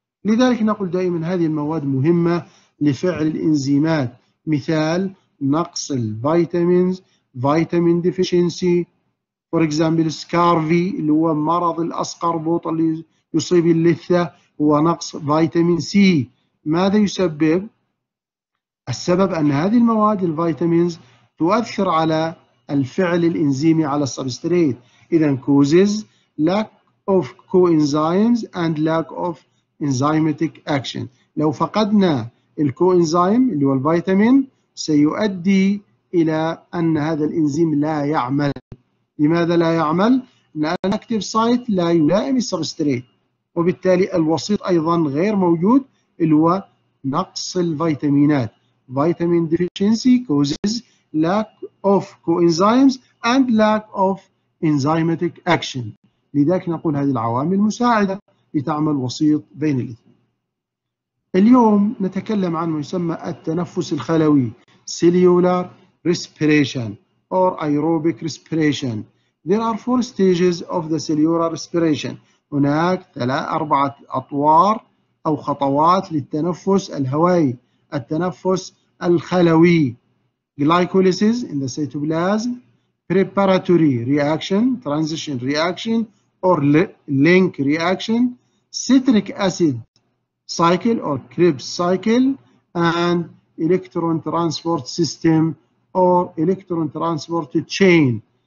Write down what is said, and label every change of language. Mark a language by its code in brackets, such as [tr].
[ar] لذلك نقول دائما هذه المواد مهمة لفعل الانزيمات، مثال نقص الفيتامينز، فيتامين ديفيشنسي، فور اكزامبل سكارفي اللي هو مرض الاسقربوط اللي يصيب اللثه، هو نقص فيتامين سي. ماذا يسبب؟ السبب ان هذه المواد الفيتامينز تؤثر على الفعل الانزيمي على السبستريت. [en] اذا causes lack of coenzymes and lack of enzymatic action. [ar] لو فقدنا الكوينزيم اللي هو الفيتامين سيؤدي إلى أن هذا الإنزيم لا يعمل. لماذا لا يعمل؟ لأن الأكتيف سايت لا يلائم السبستريت، وبالتالي الوسيط أيضا غير موجود اللي هو نقص الفيتامينات. [en] Vitamin deficiency causes lack of coenzymes and lack of enzymatic action. [ar] لذلك نقول هذه العوامل المساعدة لتعمل وسيط بين الاثنين. اليوم نتكلم عن ما يسمى التنفس الخلوي cellular respiration or aerobic respiration. [en] There are four stages of the cellular respiration. [ar] هناك أربعة أطوار أو خطوات للتنفس الهوائي، التنفس الخلوي. [en] Glycolysis in the cytoplasm, preparatory reaction, transition reaction or link reaction, citric acid cycle or Krebs cycle, and electron transport system or electron transport chain.